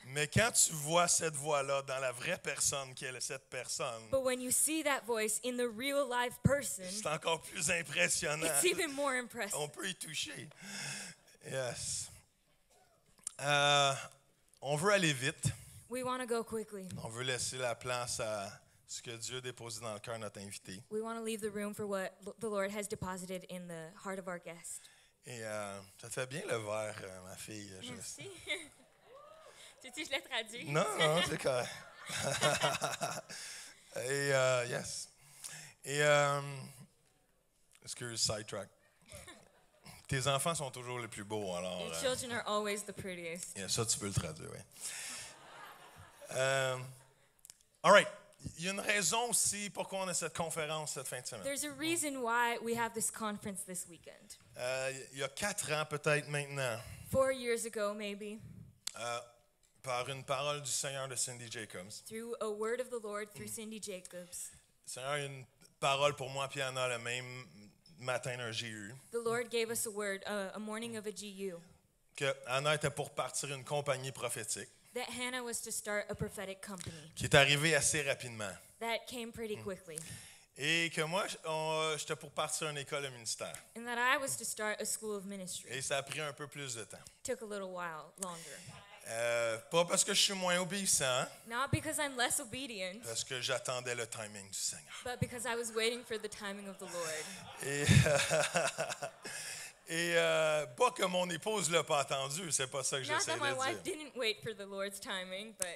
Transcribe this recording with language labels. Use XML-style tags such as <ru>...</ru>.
<fr>Mais quand tu vois cette voix-là dans la vraie personne qui est cette personne,</fr> <en>but when you see that voice in the real live person,</en> <fr>c'est encore plus impressionnant.</fr> <en>It's even more impressive.</en> <fr>On peut y toucher.</fr> <en>Yes.</en> <fr>On veut aller vite.</fr> <en>We want to go quickly.</en> <fr>On veut laisser la place à ce que Dieu a déposé dans le cœur de notre invité.</fr> <en>We want to leave the room for what the Lord has deposited in the heart of our guest.</en> <fr>Et ça te fait bien le verre, ma fille. Merci. Tu sais, je l'ai traduit. Non, c'est correct. Et yes. Et excuse sidetrack. Tes enfants sont toujours les plus beaux, alors.</fr> <en>Your children are always the prettiest. Yeah,</en> <fr>ça, tu peux le traduire, oui.</fr> <en>All right.</en> <fr>Il y a une raison aussi pourquoi on a cette conférence cette fin de semaine.</fr> <en>There's a reason why we have this conference this weekend.</en> <fr>Il y a 4 ans, peut-être, maintenant.</fr> <en>4 years ago, maybe.</en> <fr>Par une parole du Seigneur de Cindy Jacobs.</fr> <en>Through a word of the Lord through Cindy Jacobs.</en> <fr>Seigneur, il y a une parole pour moi, puis il y en a la même... matin un GU.</fr> <en>The Lord gave us a word, a morning of a GU.</en> <fr>Que Anna était pour partir une compagnie prophétique.</fr> <en>That Hannah was to start a prophetic company.</en> <fr>Qui est arrivée assez rapidement.</fr> <en>That came pretty quickly.</en> <fr>Et que moi, j'étais pour partir une école de ministère.</fr> <en>And that I was to start a school of ministry.</en> <fr>Et ça a pris un peu plus de temps.</fr> <en>Took a little while longer.</en> <fr>Pas parce que je suis moins obéissant.</fr> <en>Not because I'm less obedient.</en> <fr>Parce que j'attendais le timing du Seigneur.</fr> <en>But because I was waiting for the timing of the Lord.</en> <fr>Et, Et pas que mon épouse ne l'a pas attendu, c'est pas ça que j'essaie de dire.</fr> <en>Not that my wife didn't wait for the Lord's timing, but...</en>